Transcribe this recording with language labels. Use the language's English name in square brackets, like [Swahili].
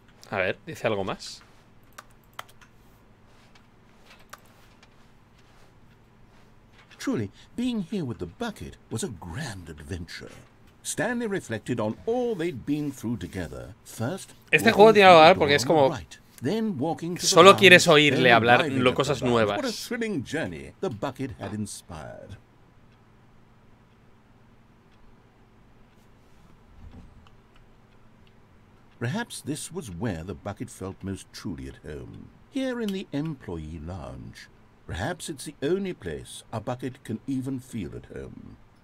[Spanish] A ver, dice algo más. [English] Truly, being here with the bucket was a grand adventure. Stanley reflected on all they'd been through together. First, [Spanish] este juego tiene algo raro porque es como solo quieres oírle hablar cosas nuevas. [English] What a thrilling journey the bucket had inspired. Perhaps this was where the bucket felt most truly at home. Here in the employee lounge. Perhaps it's the only place a bucket can even feel at home.